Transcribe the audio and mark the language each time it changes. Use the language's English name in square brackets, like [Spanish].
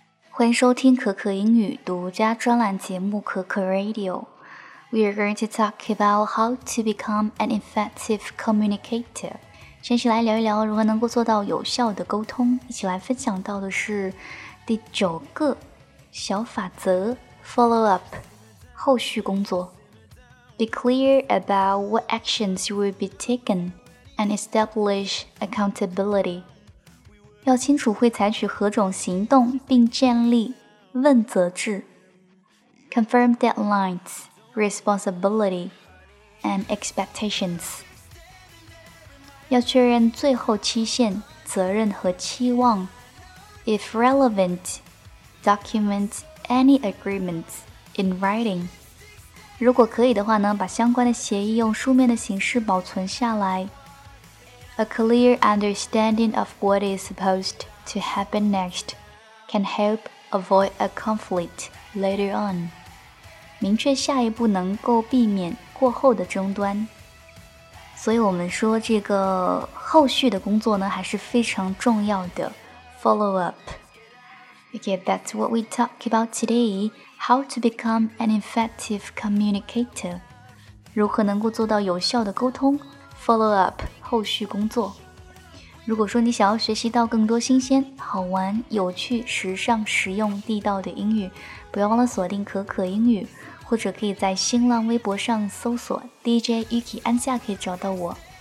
[Chinese] 欢迎收听可可英语独家专栏节目可可 Radio。 [English] We are going to talk about how to become an effective communicator。 [Chinese] 先起来聊一聊如何能够做到有效的沟通，一起来分享到的是第九个小法则， Follow up 后续工作。 [English] Be clear about what actions will be taken and establish accountability。 [Chinese] 要清楚会采取何种行动，并建立问责制。 [English] Confirm deadlines, responsibility, and expectations. [Chinese] 要确认最后期限、责任和期望。 [English] If relevant, document any agreements in writing. [Chinese] 如果可以的话呢，把相关的协议用书面的形式保存下来。 [English] A clear understanding of what is supposed to happen next can help avoid a conflict later on. [Chinese] 明确下一步能够避免过后的争端。所以我们说这个后续的工作呢还是非常重要的。 [English] Follow up. Okay, that's what we talk about today. How to become an effective communicator. [Chinese] 如何能够做到有效的沟通？ Follow up, 后续工作。如果说你想要学习到更多新鲜、好玩、有趣、时尚、实用、地道的英语，不要忘了锁定可可英语，或者可以在新浪微博上搜索 DJ Yuki 安夏，可以找到我。